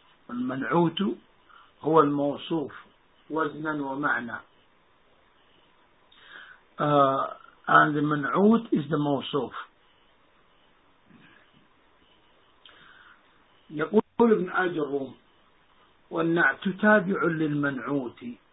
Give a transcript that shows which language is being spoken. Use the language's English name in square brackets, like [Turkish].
[Arabic] المنعوت هو الموصوف وزنا ومعنى. [English] And the منعوت is the موصوف. [Arabic] يقول ابن أبي الروم: والنعت تابع للمنعوت.